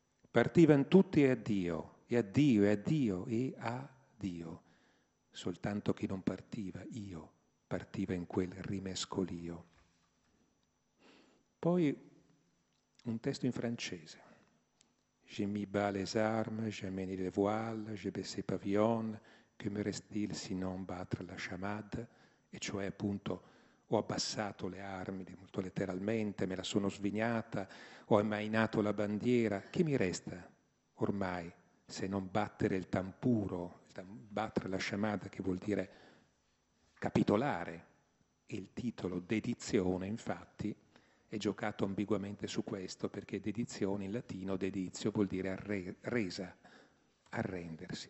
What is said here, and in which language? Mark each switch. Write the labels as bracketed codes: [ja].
[it] Partivan tutti e addio, e addio, e addio, e addio. Soltanto chi non partiva, io, partiva in quel rimescolio. Poi un testo in francese. [fr] Je m'y bats les armes, je mène les voiles, je baisse les pavillons, que me reste-t-il sinon battre la chamade? [it] E cioè, appunto, ho abbassato le armi, molto letteralmente, me la sono svignata, ho ammainato la bandiera. Che mi resta ormai se non battere il tampuro? [fr] Battre la chamada, [it] che vuol dire capitolare, e il titolo dedizione infatti è giocato ambiguamente su questo, perché dedizione in latino, deditio, vuol dire resa, arrendersi.